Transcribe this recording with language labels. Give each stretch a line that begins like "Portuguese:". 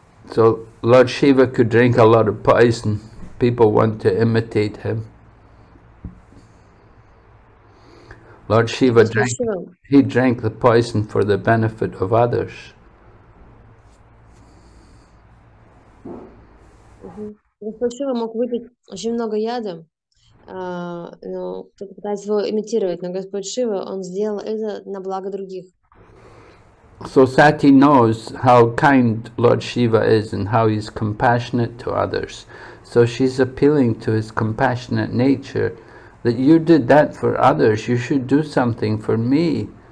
English: So Lord Shiva could drink a lot of poison. People want to imitate him. Lord Shiva drank, he drank the poison for the benefit of others.
Russian: Господь Шива мог выпить очень много яда, но кто-то пытается его имитировать, но Господь Шива, он сделал это на благо других.
English: So Sati knows how kind Lord Shiva is and how he's compassionate to others. So she's appealing to his compassionate nature that you did that for others, you should do something for me.